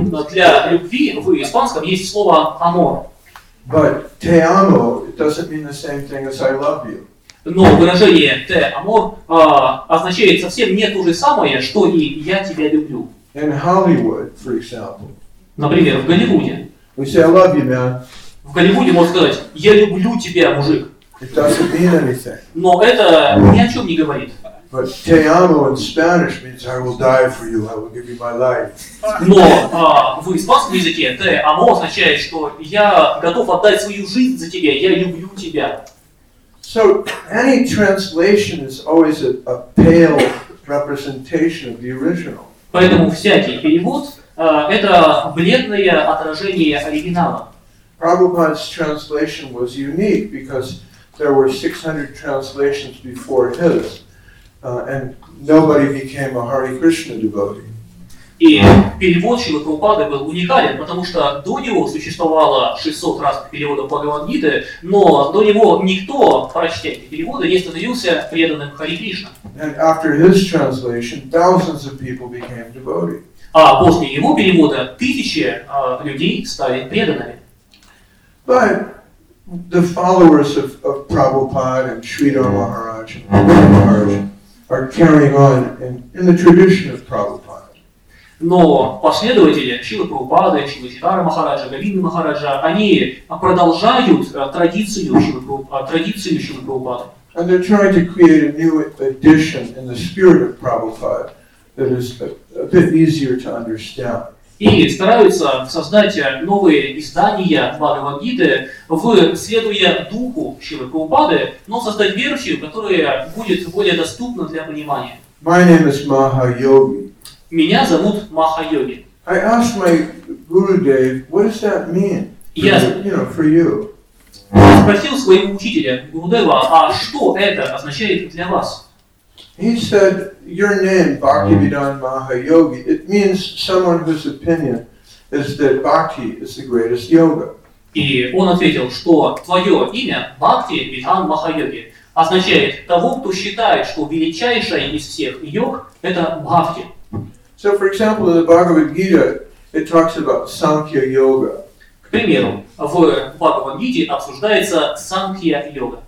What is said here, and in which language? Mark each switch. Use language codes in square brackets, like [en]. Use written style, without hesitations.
[ru] Для любви в испанском есть слово amor. [en] But [es] te amo, [en] it doesn't mean the same thing as I love you. [ru] Но выражение [es] «te amor» [ru] означает совсем не то же самое, что и «я тебя люблю». [en] In Hollywood, for example. [ru] Например, в Голливуде. [en] We say, I love you, man. [ru] В Голливуде можно сказать «я люблю тебя, мужик». [en] It doesn't mean anything. [ru] Но это ни о чем не говорит. [en] But [es] «te amo» [en] in Spanish means «I will die for you, I will give you my life». [ru] Но в испанском языке [es] «te amo» [ru] означает, что «я готов отдать свою жизнь за тебя, я люблю тебя». [en] So any translation is always a pale representation of the original. [ru] Поэтому всякий перевод это бледное отражение оригинала. [en] Prabhupada's translation was unique because there were 600 translations before his, and nobody became a Hare Krishna devotee. [ru] И перевод Шрилы Прабхупады был уникален, потому что до него существовало 600 разных переводов Бхагавад-гиты, но до него никто, прочтя эти переводы, не становился преданным Хари Кришна. [en] And after his translation, thousands of people became devotees. [ru] А после его перевода тысячи людей стали преданными. [en] But the followers of Prabhupada and Sridhar Maharaj are carrying on in the tradition of Prabhupada. [ru] Но последователи Шрилы Прабхупады, Шрилы Сидара Махараджа, Говинды Махараджа, они продолжают традицию Шрилы Прабхупады. [en] And they're trying to create a new addition in the spirit of Prabhupada that is a bit easier to understand. [ru] И стараются создать новые издания Бхагавад-гиты, следуя духу Шрилы Прабхупады, но создать версию, которая будет более доступна для понимания. [en] My name is Mahayogi. [ru] Меня зовут Маха-йоги. [en] I asked my Guru Dave, what does that mean? [ru] Я, [en] you know, for you. [ru] спросил своего учителя Гурудева, а что это означает для вас? [en] He said, your name, Bhaktivedanta Mahayogi, it means someone whose opinion is that Bhakti is the greatest yoga. [ru] И он ответил, что твое имя, Бхактивиданта Махайоги, означает того, кто считает, что величайшая из всех йог – это Бхакти. [en] So, for example, in the Bhagavad Gita, it talks about Sankhya Yoga. [ru] К примеру, в Bhagavad Gita обсуждается Sankhya Yoga.